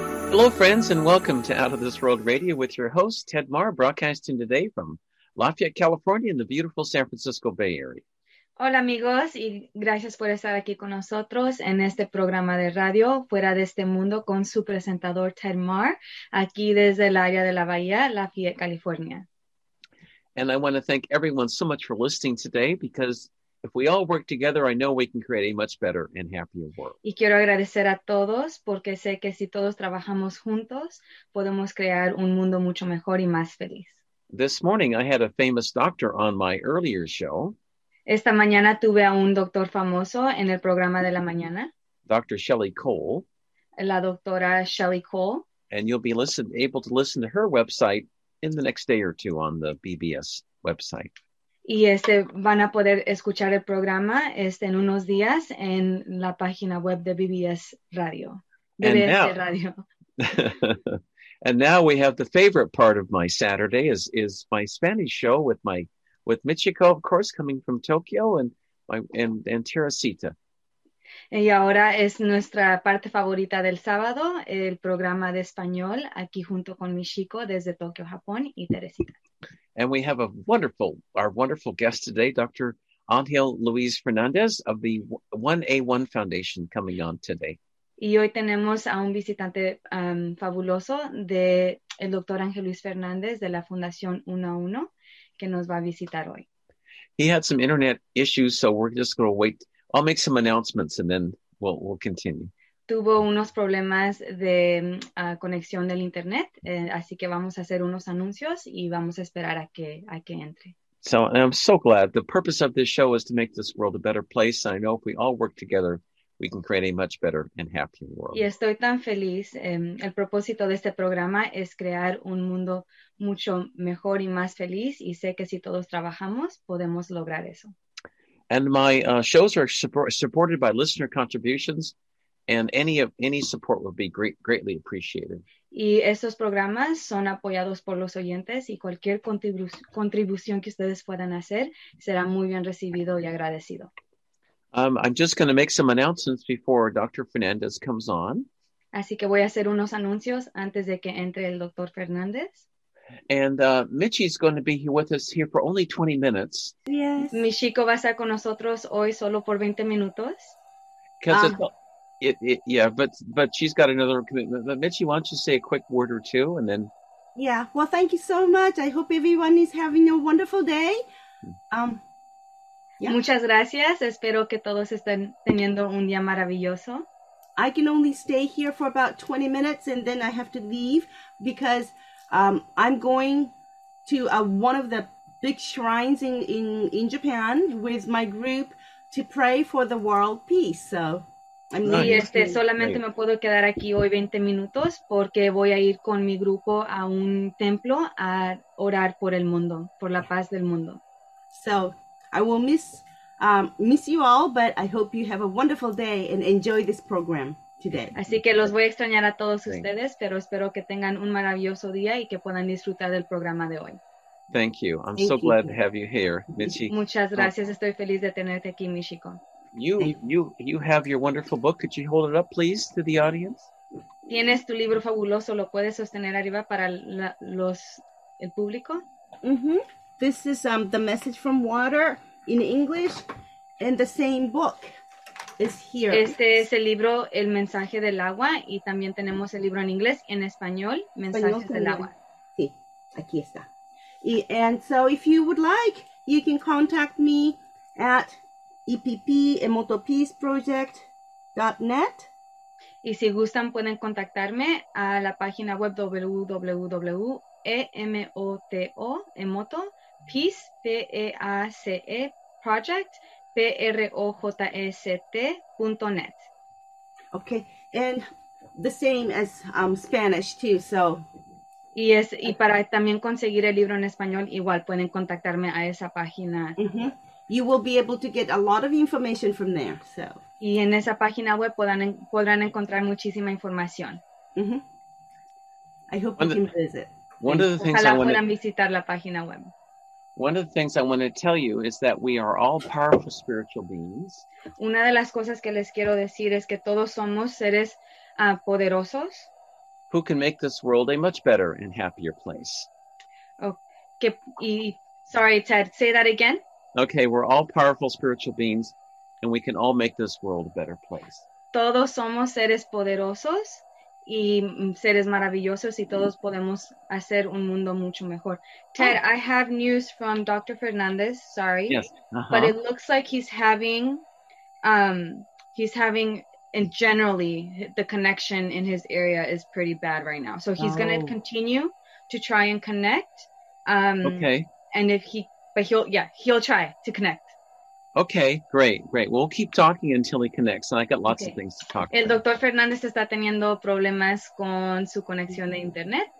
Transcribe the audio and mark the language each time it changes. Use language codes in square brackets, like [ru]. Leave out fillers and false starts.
[en] Hello, friends, and welcome to Out of This World Radio with your host, Ted Marr, broadcasting today from Lafayette, California, in the beautiful San Francisco Bay Area. [es] Hola, amigos, y gracias por estar aquí con nosotros en este programa de radio, Fuera de este Mundo, con su presentador, Ted Marr, aquí desde el área de la Bahía, Lafayette, California. [en] And I want to thank everyone so much for listening today, because if we all work together, I know we can create a much better and happier world. [es] Y quiero agradecer a todos porque sé que si todos trabajamos juntos, podemos crear un mundo mucho mejor y más feliz. [en] This morning, I had a famous doctor on my earlier show. [es] Esta mañana tuve a un doctor famoso en el programa de la mañana. [en] Dr. Shelley Cole. [es] La doctora Shelley Cole. [en] And you'll be able to listen to her website in the next day or two on the BBS website. [es] Y van a poder escuchar el programa en unos días en la página web de BBS Radio. [en] BBS Radio. And now we have the favorite part of my Saturday is my Spanish show with Michiko, of course, coming from Tokyo, and Teresita. [es] Y ahora es nuestra parte favorita del sábado, el programa de español, aquí junto con Michiko desde Tokio, Japón, y Teresita. [en] And we have our wonderful guest today, Dr. Ángel Luis Fernández of the 1A1 Foundation, coming on today. [es] Y hoy tenemos a un visitante fabuloso de el Dr. Ángel Luis Fernández de la Fundación 1A1 que nos va a visitar hoy. [en] He had some internet issues, so we're just going to wait. I'll make some announcements and then we'll continue. [es] Tuvo unos problemas de conexión del internet, así que vamos a hacer unos anuncios y vamos a esperar a que entre. [en] So I'm so glad. The purpose of this show is to make this world a better place. I know if we all work together, we can create a much better and happier world. [es] Y estoy tan feliz. El propósito de este programa es crear un mundo mucho mejor y más feliz, y sé que si todos trabajamos, podemos lograr eso. [en] And my shows are supported by listener contributions. And any support would be greatly appreciated. [es] Y estos programas son apoyados por los oyentes, y cualquier contribución que ustedes puedan hacer será muy bien recibido y agradecido. [en] I'm just going to make some announcements before Dr. Fernández comes on. [es] Así que voy a hacer unos anuncios antes de que entre el Dr. Fernández. [en] And Michi's going to be here with us here for only 20 minutes. Yes. [es] Michiko va a estar con nosotros hoy solo por 20 minutos. [en] But she's got another commitment. But Michi, why don't you say a quick word or two, and then... Yeah, well, thank you so much. I hope everyone is having a wonderful day. [es] Yeah. Muchas gracias. Espero que todos estén teniendo un día maravilloso. [en] I can only stay here for about 20 minutes, and then I have to leave, because I'm going to one of the big shrines in Japan with my group to pray for the world peace, so... [es] Y solamente me puedo quedar aquí hoy 20 minutos porque voy a ir con mi grupo a un templo a orar por el mundo, por la paz del mundo. [en] So, I will miss you all, but I hope you have a wonderful day and enjoy this program today. [es] Así que los voy a extrañar a todos ustedes, pero espero que tengan un maravilloso día y que puedan disfrutar del programa de hoy. [en] Thank you. I'm so glad to have you here, Michi. [es] Muchas gracias. Estoy feliz de tenerte aquí, Michiko. [en] You have your wonderful book. Could you hold it up, please, to the audience? [es] Tienes tu libro fabuloso. ¿Lo puedes sostener arriba para el público? Mm-hmm. [en] This is The Message from Water in English, and the same book is here. [es] Este es el libro El Mensaje del Agua, y también tenemos el libro en inglés, en español, Mensajes del Agua. Sí, aquí está. [en] And so if you would like, you can contact me at... EPPEmotopeaceproject.net. [es] Y si gustan, pueden contactarme a la página web www.emotopeaceproject.net. [en] Okay, and the same as Spanish too, so. [es] Y para también conseguir el libro en español, igual pueden contactarme a esa página. Mm-hmm. [en] You will be able to get a lot of information from there. So. [es] Y en esa página web podrán encontrar muchísima información. [en] Mm-hmm. I hope you can visit. One of the things I want to tell you is that we are all powerful spiritual beings. [es] Una de las cosas que les quiero decir es que todos somos seres poderosos. [en] who can make this world a much better and happier place. Sorry, Ted, say that again. Okay, we're all powerful spiritual beings, and we can all make this world a better place. [es] Todos somos seres poderosos y seres maravillosos, y todos podemos hacer un mundo mucho mejor. [en] Ted, oh. I have news from Dr. Fernandez, sorry. Yes. Uh-huh. But it looks like he's having, and generally, the connection in his area is pretty bad right now. So he's going to continue to try and connect. Okay. And he'll try to connect. Okay, great. We'll keep talking until he connects. And I got lots of things to talk about. [es] El doctor Fernández está teniendo problemas con su conexión de internet.